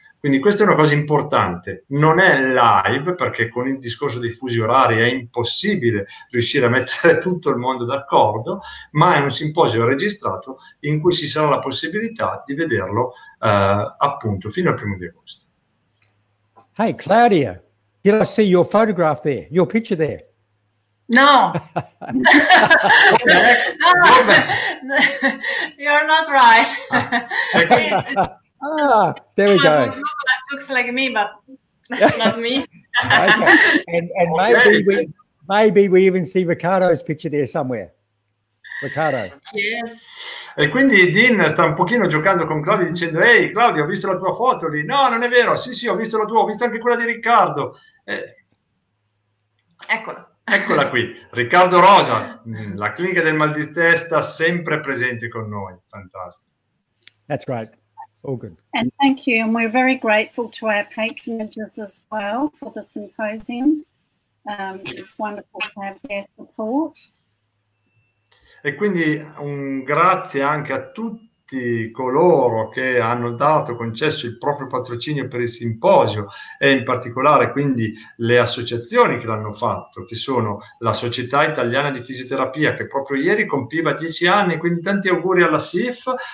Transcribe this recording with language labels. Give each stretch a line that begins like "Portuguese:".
Italian: Quindi questa è una cosa importante, non è live, perché con il discorso dei fusi orari è impossibile riuscire a mettere tutto il mondo d'accordo, ma è un simposio registrato in cui ci sarà la possibilità di vederlo appunto fino al 1° di agosto.
English: Hey Claudia, did I see your photograph there, your picture there? No. No. No. You're not right. There we go. That looks like me, but that's not me. Okay. And okay. maybe we even see Riccardo's picture there somewhere. Riccardo. Yes.
Italian: E quindi Dean sta un pochino giocando con Claudio dicendo: ehi Claudio, ho visto la tua foto lì. No, non è vero. Sì, sì, ho visto la tua, ho visto anche quella di Riccardo. Eccola. Eccola qui, Riccardo Rosa, la clinica del mal di testa, sempre presente con noi. Fantastico.
English: That's right. All good. And thank you, and we're very grateful to our patronages as well for the symposium. It's wonderful to have their support.
Italian: E quindi un grazie anche a tutti coloro che hanno dato, concesso il proprio patrocinio per il simposio, e in particolare quindi le associazioni che l'hanno fatto, che sono la Società Italiana di Fisioterapia, che proprio ieri compiva 10 anni, quindi tanti auguri alla SIF,